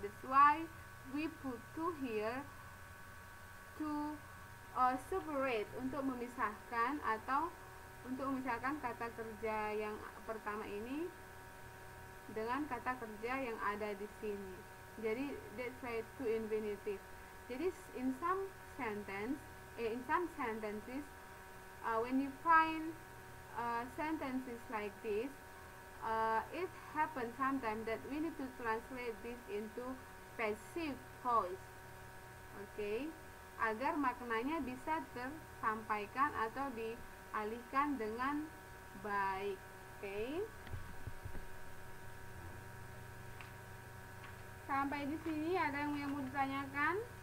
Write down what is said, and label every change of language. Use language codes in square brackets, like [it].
[en] That's why we put two here to separate, [id] untuk memisahkan atau untuk memisahkan kata kerja yang pertama ini dengan kata kerja yang ada di sini. Jadi [en] that's why two infinitive. [id] Jadi [en] in some sentence, in some sentences, when you find sentences like this, it happens sometimes that we need to translate this into passive voice. Okay? [id] Agar maknanya bisa tersampaikan atau dialihkan dengan baik. Okay? Sampai di sini ada yang mau ditanyakan?